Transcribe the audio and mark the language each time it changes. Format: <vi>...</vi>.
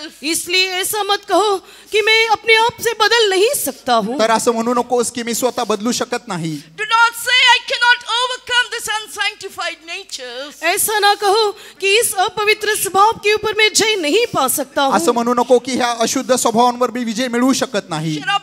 <hi>इसलिए ऐसा मत कहो कि मैं अपने आप से बदल नहीं सकता हूँ।</hi> <mr>तर असं म्हणू नकोस की मी स्वतः बदलू शकत नाही।</mr> <en>Do not say I cannot overcome this unsanctified nature.</en> <hi>ऐसा ना कहो कि इस अपवित्र स्वभाव के ऊपर मैं जय नहीं पा सकता हूँ।</hi> <mr>असं म्हणू नको की ह्या अशुद्ध स्वभावांवर मी विजय मिळू शकत नाही।</mr>